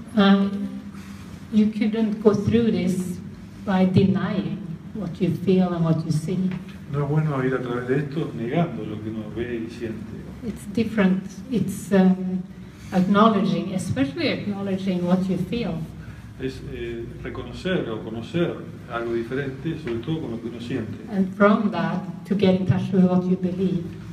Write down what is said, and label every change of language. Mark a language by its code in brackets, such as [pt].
[en] You couldn't go through this by denying what you feel and what you see. [es] No es bueno ir a través de esto negando lo que uno ve y siente. [en] It's different. It's acknowledging, especially acknowledging what you feel. [es] Es reconocer o conocer algo diferente, sobre todo con lo que uno siente. [en] And from that, to get in touch with what you believe.